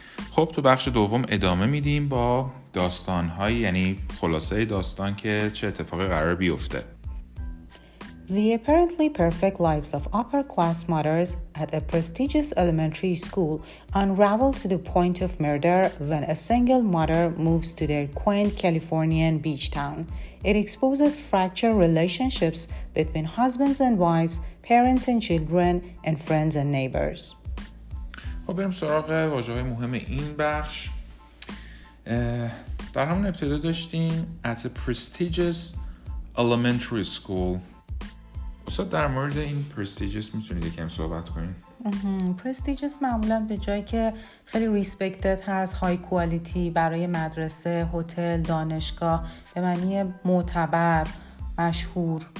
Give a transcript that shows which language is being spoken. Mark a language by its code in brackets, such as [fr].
[fa] خب تو بخش دوم ادامه میدیم با داستان‌های، یعنی خلاصه داستان که چه اتفاقی قرار بیفته. [en] The apparently perfect lives of upper-class mothers at a prestigious elementary school unravel to the point of murder when a single mother moves to their quaint Californian beach town. It exposes fractured relationships between husbands and wives, parents and children, and friends and neighbors. [fa] خب بریم سراغ واژه‌های مهم این بخش. در همون ابتدا داشتیم [en] at a prestigious elementary school. [fa] استاد در مورد این prestigious میتونید یکم صحبت کنید؟ prestigious معمولا به جایی که خیلی respected هست، high quality برای مدرسه، هتل، دانشگاه، به معنی معتبر، مشهور.